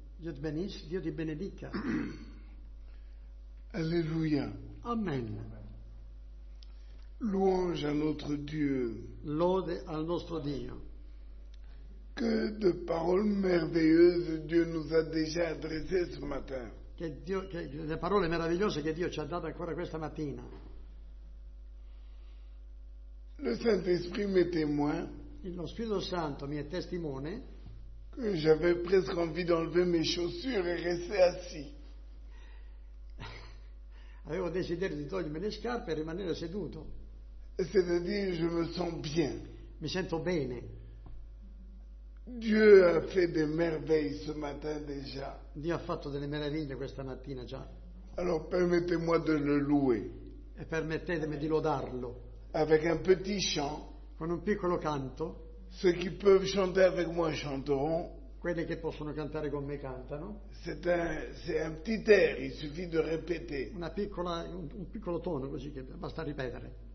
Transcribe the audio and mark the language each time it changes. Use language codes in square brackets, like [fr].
[it] Dio ti benisce, Dio ti benedica. Alleluia. Amen. [fr] Louange à notre Dieu. [it] Lode al nostro Dio. [fr] Que de paroles merveilleuses Dieu nous a déjà adressées ce matin. [it] Che parole meravigliose che Dio ci ha dato ancora questa mattina. [fr] Le Saint-Esprit m'est témoin. [it] Lo Spirito Santo mi è testimone. [fr] J'avais presque envie d'enlever mes chaussures et rester assis. [it] Avevo desiderio di togliermi le scarpe e rimanere seduto. [fr] C'est-à-dire, je me sens bien. [it] Mi sento bene. [fr] Dieu a fait des merveilles ce matin déjà. [it] Dio ha fatto delle meraviglie questa mattina già. [fr] Alors permettez-moi de le louer. [it] E permettetemi di lodarlo. [fr] Avec un petit chant. [it] Con un piccolo canto. [fr] Ceux qui peuvent chanter avec moi chanteront. [it] Quelli che possono cantare con me cantano. [fr] C'est un petit air, il suffit de répéter. [it] Un piccolo tono così che basta ripetere.